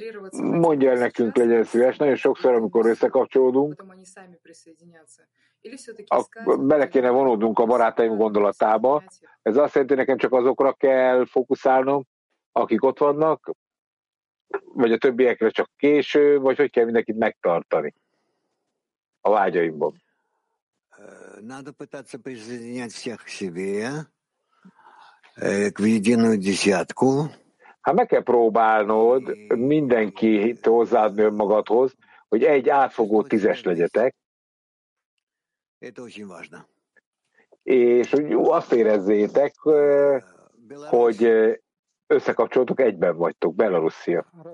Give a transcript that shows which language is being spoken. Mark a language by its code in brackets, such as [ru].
[hu] Mondja el nekünk, legyen szíves, nagyon sokszor, amikor összekapcsolódunk, bele kéne vonódunk a barátaim gondolatába. Ez azt jelenti, hogy nekem csak azokra kell fókuszálnom, akik ott vannak, vagy a többiekre csak késő, vagy hogy kell mindenkit megtartani a vágyaimban. [ru] Надо пытаться присоединять всех к себе, к единую десятку. [hu] Hát meg kell próbálnod mindenkit hozzáadni önmagadhoz, hogy egy átfogó tízes legyetek. [ru] Это очень важно. [hu] És hogy azt érezzétek, hogy összekapcsoltuk, egyben vagytok, Belarusia.